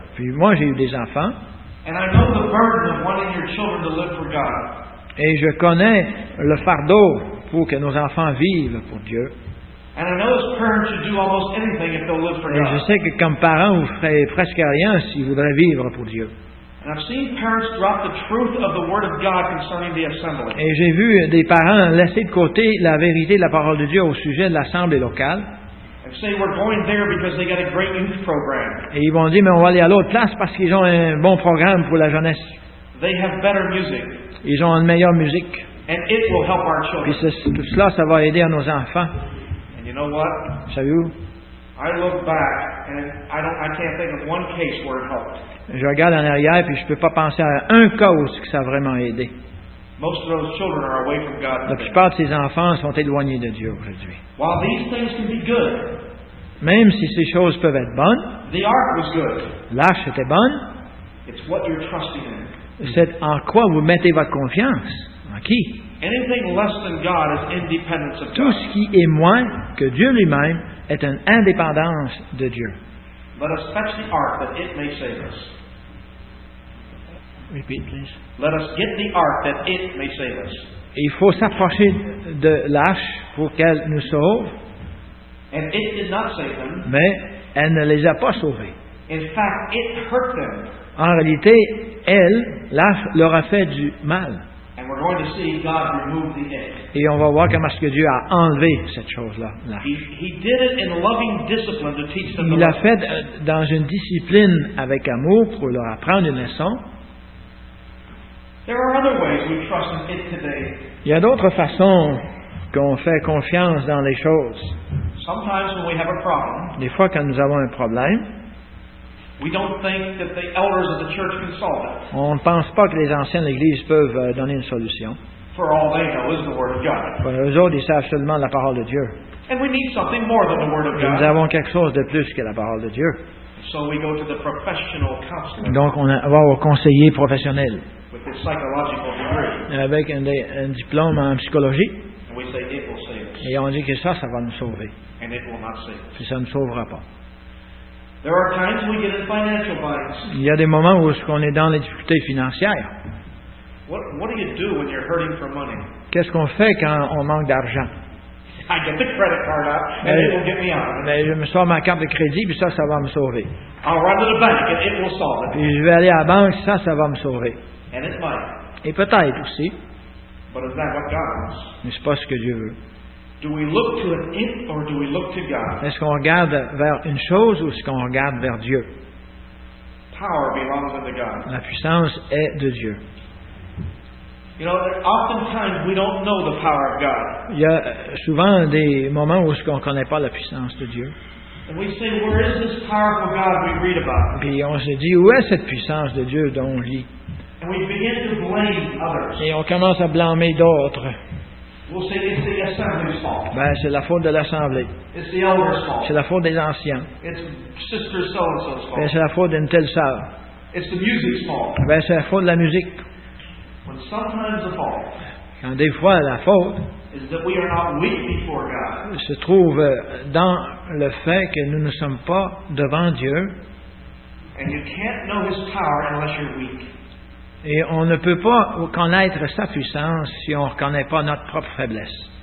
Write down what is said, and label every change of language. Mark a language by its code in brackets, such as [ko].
[fr] Puis moi, j'ai eu des enfants. Et je connais le fardeau pour que nos enfants vivent pour Dieu. Et je sais que comme parents, vous ferez presque rien si vous voudrez vivre pour Dieu. [en] And I've seen parents drop the truth of the word of God concerning the assembly. [fr] Et j'ai vu des parents laisser de côté la vérité de la parole de Dieu au sujet de l'assemblée locale. [en] And say we're going there because they got a great youth program. [fr] Et ils vont dire mais on va aller à l'autre place parce qu'ils ont un bon programme pour la jeunesse. [en] They have better music. [fr] Ils ont une meilleure musique. [en] And it will help our children. [fr] Puis tout cela, ça va aider à nos enfants. [en] And you know what? [fr] Savez-vous? [en] I look back and I can't think of one case where it helped. [fr] Je regarde en arrière puis je peux pas penser à un cas où ça a vraiment aidé. [en] Most of those children are away from God. [fr] La plupart de ces enfants sont éloignés de Dieu aujourd'hui. [en] While these things can be good, [fr] même si ces choses peuvent être bonnes, [en] the ark was good. [fr] L'arche était bonne. [en] It's what you're trusting in. [fr] C'est en quoi vous mettez votre confiance. En qui? [en] Anything less than God is independence of God. [fr] Tout ce qui est moins que Dieu lui-même est une indépendance de Dieu. [en] Let us fetch the ark that it may save us. Repeat, please. Let us get the ark that it may save us. [fr] Il faut s'approcher de l'arche pour qu'elle nous sauve. [en] And it did not save them. [fr] Mais elle ne les a pas sauvés. [en] In fact, it hurt them. [fr] En réalité, elle, l'arche, leur a fait du mal. [en] And we're going to see God remove the egg. [fr] Et on va voir comment est-ce que Dieu a enlevé cette chose-là. [en] He did it in loving discipline to teach them. [fr] Il l'a fait dans une discipline avec amour pour leur apprendre une leçon. [en] There are other ways we trust in it today. [fr] Il y a d'autres façons qu'on fait confiance dans les choses. [en] Sometimes when we have a problem, [fr] des fois, quand nous avons un problème, [en] we don't think that the elders of the church can solve it. [fr] On ne pense pas que les anciens de l'Église peuvent donner une solution. [en] For all they know is the word of God. [fr] Pour eux autres, ils savent seulement la parole de Dieu. [en] And we need something more than the word of God. [fr] Et nous avons quelque chose de plus que la parole de Dieu. [en] So we go to the professional counselor. [fr] Donc on va au conseiller professionnel. [en] With his psychological degree. [fr] Avec un diplôme en psychologie. [en] And we say it will save us. [fr] Et on dit que ça va nous sauver. [en] And it will not save us. [fr] Puis ça ne sauvera pas. [en] There are times we get in financial binds. [fr] Il y a des moments où on est dans les difficultés financières. [en] What do you do when you're hurting for money? [fr] Qu'est-ce qu'on fait quand on manque d'argent? [en] I get the credit card out and it will get me out. [fr] Mais je me sors ma carte de crédit puis ça va me sauver. [en] I'll run to the bank and it will solve it. [fr] Puis je vais aller à la banque, ça va me sauver. [en] And it might. [fr] Et peut-être aussi. [en] But is that what God wants? [fr] Mais c'est pas ce que Dieu veut. [en] Do we look to an it or do we look to God? [fr] Est-ce qu'on regarde vers une chose ou est-ce qu'on regarde vers Dieu? [en] Power belongs unto God. [fr] La puissance est de Dieu. [en] You know, oftentimes we don't know the power of God. [fr] Il y a souvent des moments où on ne connaît pas la puissance de Dieu. [en] And we say, where is this powerful God we read about? [fr] Puis on se dit, où est cette puissance de Dieu dont on lit? [en] And we begin to blame others. [fr] Et on commence à blâmer d'autres. [en] We'll say it's the assembly's fault. [fr] Ben, c'est la faute de l'assemblée. [en] It's the elders' fault. [fr] C'est la faute des anciens. [en] It's sister so-and-so's fault. [fr] Ben, c'est la faute d'une telle sœur. [en] It's the music's fault. [fr] Ben, c'est la faute de la musique. [en] When sometimes the fault. [fr] Quand des fois la faute. [en] Is that we are not weak before God. [fr] Se trouve dans le fait que nous ne sommes pas devant Dieu. [en] And you can't know His power unless you're weak. [fr] Et on ne peut pas connaître sa puissance si on ne reconnaît pas notre propre faiblesse.